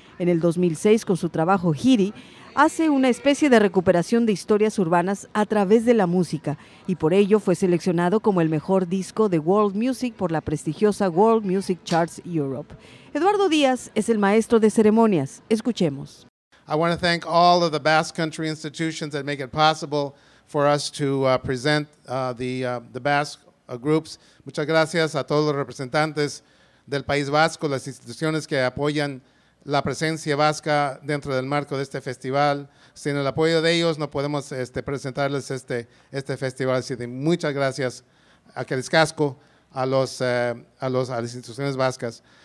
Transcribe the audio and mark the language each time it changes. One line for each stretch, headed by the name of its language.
Spanish: En el 2006, con su trabajo Hiri, hace una especie de recuperación de historias urbanas a través de la música y por ello fue seleccionado como el mejor disco de World Music por la prestigiosa World Music Charts Europe. Eduardo Díaz es el maestro de ceremonias. Escuchemos.
English: I want to thank all of the Basque Country institutions that make it possible for us to present the Basque groups.
Spanish: Muchas gracias a todos los representantes del País Vasco, las instituciones que apoyan la presencia vasca dentro del marco de este festival. Sin el apoyo de ellos no podemos presentarles este festival. Así que muchas gracias a Kelis Casco, a las instituciones vascas.